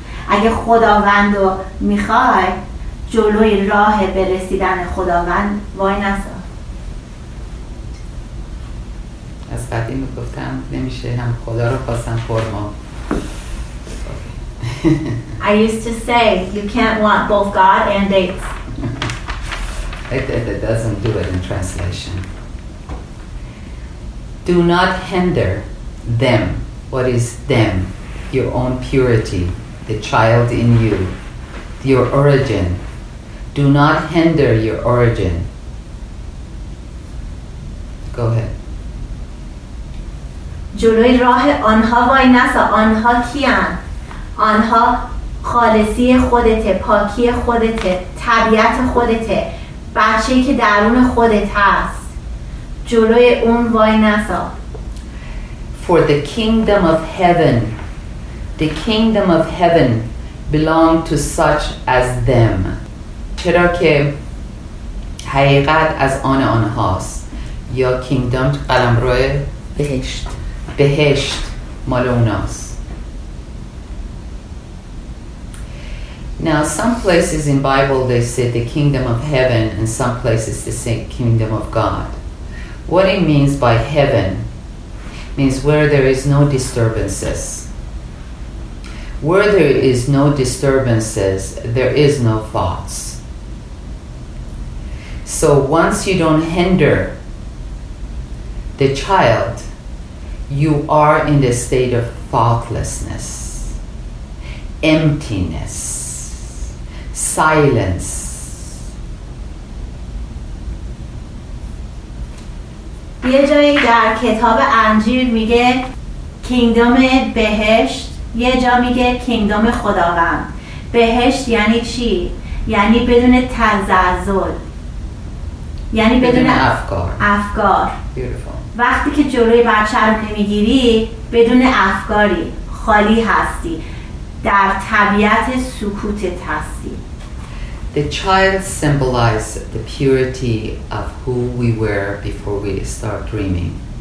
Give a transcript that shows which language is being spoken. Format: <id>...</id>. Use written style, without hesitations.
<fa>اگه خداوند رو میخوای جلوی راه به رسیدن خداوند وای نسا. از قدیم گفتم نمیشه هم خدا رو خواستم فرما.</fa> <en>I used to say you can't want both God and dates. It doesn't do it in translation. Do not hinder them. What is them? Your own purity, the child in you, your origin. Do not hinder your origin. Go ahead.</en> <fa>جلوی راه آنها وای نسا. آنها کیان؟ آنها خالصی خودته، پاکی خودته، طبیعت خودته، بچه‌ای که درون خودت هست. جلوی اون وای نسا.</fa> <en>For the kingdom of heaven, the kingdom of heaven belong to such as them.</en> <fa>چرا که حقیقت از آن آنهاست، یا kingdom قلمرو بهشت، بهشت مال اوناست.</fa> <en>Now some places in Bible they say the kingdom of heaven and some places they say kingdom of God. What it means by heaven means where there is no disturbances. Where there is no disturbances, there is no thoughts. So once you don't hinder the child, you are in the state of thoughtlessness, emptiness, silence.</en> <fa>یه جایی در کتاب انجیل میگه کینگدم بهشت، یه جا میگه کینگدم خداوند. بهشت یعنی چی؟ یعنی بدون تزعزل، یعنی بدون افکار.</fa> <en>Beautiful.</en> <fa>وقتی که جلوی بچه رو نمیگیری، بدون افکاری، خالی هستی، در طبیعت سکوتت هستی.</fa> <en>The child symbolizes the purity of who we were before we start dreaming.</en>